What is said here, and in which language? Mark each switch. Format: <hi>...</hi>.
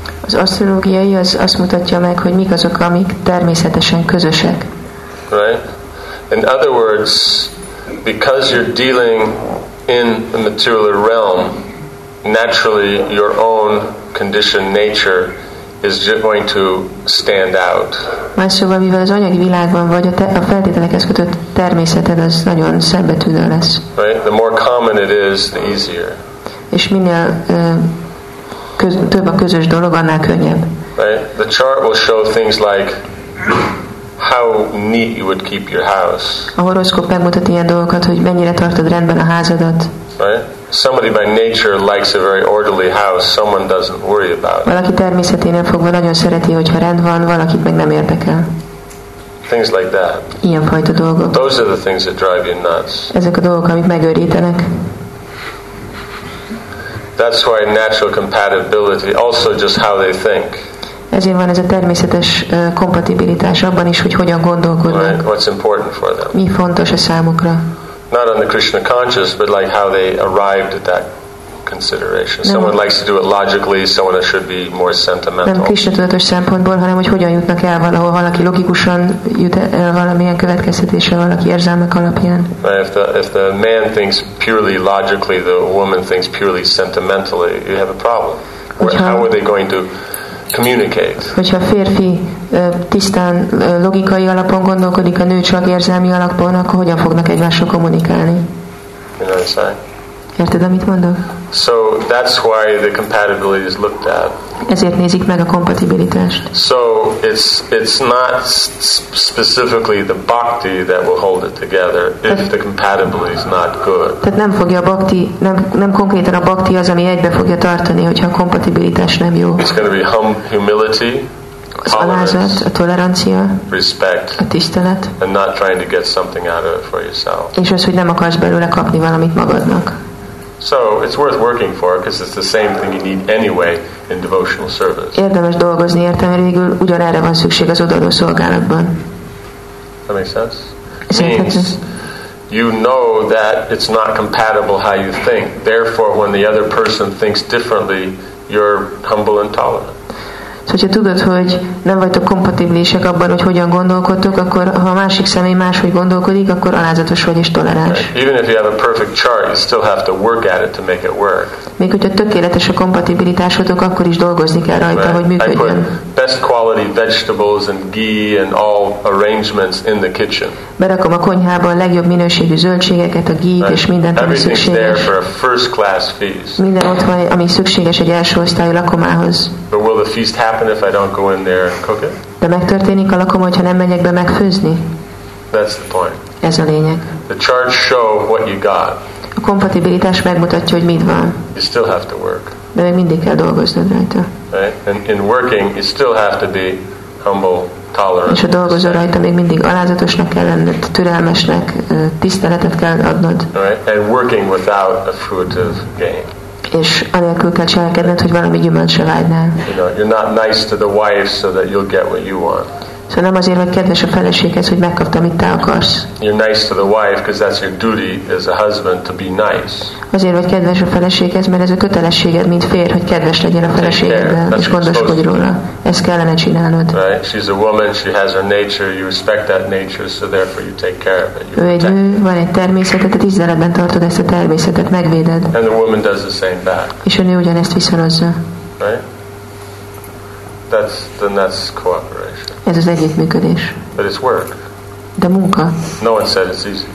<hu>Az asztrológiai az azt mutatja meg, hogy mik azok, amik természetesen közösek.</hu> <en>Right? In other words, because you're dealing in the material realm, naturally your own conditioned nature is just going to stand out.</en> <hu>Más szóval, mivel az anyagi világban vagy, a feltételekhez kötött természeted az nagyon szembetűnő lesz.</hu> <en>Right? The more common it is, the easier.</en> <hu>És minél több a közös dolog, annál könnyebb.</hu> <en>Right? The chart will show things like how neat you would keep your house.</en> <hu>A horoszkóp megmutat ilyen dolgokat, hogy mennyire tartod rendben a házadat.</hu> <en>Right? Somebody by nature likes a very orderly house. Someone doesn't worry about it.</en> <hu>Valaki természeténél fogva nagyon szereti, hogyha rend van, valakit meg nem érdekel.</hu> <en>Things like that.</en> <hu>Ilyenfajta dolgok.</hu> <en>Those are the things that drive you nuts.</en> <hu>Ezek a dolgok, amik megőrítenek.</hu> <en>That's why natural compatibility, also just how they think.</en> <hu>Ezért van ez a természetes kompatibilitás abban is, hogy hogyan gondolkodnak.</hu> <en>Right? What's important for them?</en> <hu>Mi fontos a számukra?</hu> <en>Not on the Krishna conscious, but like how they arrived at that consideration.</en> <hu>Nem</hu> <en>someone likes to do it logically, someone should be more sentimental.</en> <hu>Nem Krishna tudatos szempontból, hanem hogy hogyan jutnak el valahol, valaki logikusan jut el valamilyen következtetése, valaki érzelmek alapján.</hu> <en>Right, if the man thinks purely logically, the woman thinks purely sentimentally, you have a problem. How are they going to communicate?</en> <hu>Hogyha a férfi tisztán logikai alapon gondolkodik, a nő csak érzelmi alapon, akkor hogyan fognak egymással kommunikálni? Érted, amit mondok?</hu> <en>So that's why the compatibility is looked at.</en> <hu>Ezért nézik meg a kompatibilitást.</hu> <en>So it's not specifically the bhakti that will hold it together if the compatibility is not good.</en> <hu>Tehát nem fogja a bhakti, nem konkrétan a bhakti az, ami egybe fogja tartani, hogyha a kompatibilitás nem jó.</hu> <en>It's going to be humility,</en> <hu>alázat, a tolerancia,</hu> <en>respect,</en> <hu>a tisztelet,</hu> <en>and not trying to get something out of it for yourself.</en> <hu>És az, hogy nem akarsz belőle kapni valamit magadnak.</hu> <en>So it's worth working for because it's the same thing you need anyway in devotional service.</en> <hu>Érdemes dolgozni érte, mert végül ugyanerre van szükség az odaadó szolgálatban.</hu> <en>That makes sense? Means you know that it's not compatible how you think. Therefore, when the other person thinks differently, you're humble and tolerant.</en> <hu>Szóval, hogyha tudod, hogy nem vagytok kompatibilisek abban, hogy hogyan gondolkodtok, akkor ha a másik személy máshogy gondolkodik, akkor alázatos vagy és toleráns.</hu> <en>Even if you have a perfect chart, you still have to work at it to make it work.</en> <hu>Még hogyha tökéletes a kompatibilitásotok, akkor is dolgozni kell rajta, hogy működjön.</hu> <en>Best quality vegetables and ghee and all arrangements in the kitchen.</en> <hu>Berakom a konyhába a legjobb minőségű zöldségeket, a ghee-t és mindent, ami szükséges.</hu> <en>There for a first class feast.</en> <hu>Minden ott van, ami szükséges egy első osztályú lakomához.</hu> <en>But will the feast happen if I don't go in there and cook it?</en> <hu>De megtörténik a lakoma, hogyha nem megyek be megfőzni?</hu> <en>That's the point.</en> <hu>Ez a lényeg.</hu> <en>The charts show what you got.</en> <hu>A kompatibilitás megmutatja, hogy mit van.</hu> <en>You still have to work.</en> <hu>De még mindig kell dolgoznod rajta.</hu> <en>Right? And in working, you still have to be humble, tolerant.</en> <hu>És ha dolgozol rajta, még mindig alázatosnak kell lenned, türelmesnek, tiszteletet kell adnod.</hu> <en>Right? And working without a fruitive gain.</en> <hu>És anélkül kell cselekedned, hogy valami gyümölcsre vágynál.</hu> <en>You're not nice to the wife so that you'll get what you want.</en> <hu>Szóval nem azért, hogy kedves a feleséghez, hogy megkaptam, amit te akarsz.</hu> <en>You're nice to the wife because that's your duty as a husband to be nice.</en> <hu>Azért, hogy kedves a feleséghez, mert ez a kötelességed, mint fér, hogy kedves legyen a feleségeddel, és gondoskodj róla. Ezt kellene csinálnod.</hu> <en>Right? She's a woman, she has her nature, you respect that nature, so therefore you take care of it.</en> <hu>Ő egy nő, van egy természetet, tehát tiszteletben tartod ezt a természetet, megvéded.</hu> <en>And the woman does the same back.</en> <hu>És a nő ugyanezt viszonozza.</hu> <en>Right? That's cooperation.</en> <hu>Ez az együttműködés.</hu> <en>But it's work.</en> <hu>De munka.</hu> <en>No one said it's easy.</en>